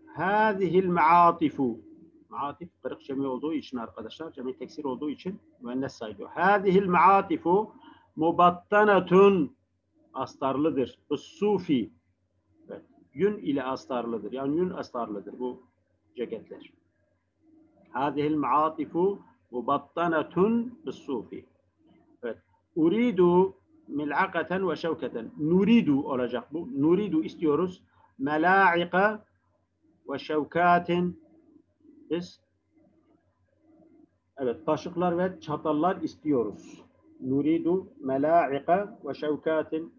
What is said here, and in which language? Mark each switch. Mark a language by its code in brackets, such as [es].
[ar] Hâzihil me'atifu. [tr] Me'atif kırık cemî olduğu için arkadaşlar. Cemî teksir olduğu için müennes sayıyor. [ar] Hâzihil me'atifu mubattanatun [tr] astarlıdır. Sufi. Yün ile astarlıdır. Yani yün astarlıdır bu ceketler. [ar] هذه المعاطف مبطنة بالصوف. Evet. أريد ملعقة وشوكة. [tr] نريد olacak bu. نريد istiyoruz. [ar] ملاعق وشوكات. [tr] Biz evet, taşıklar ve çatallar istiyoruz. [ar] نريد ملاعق وشوكات.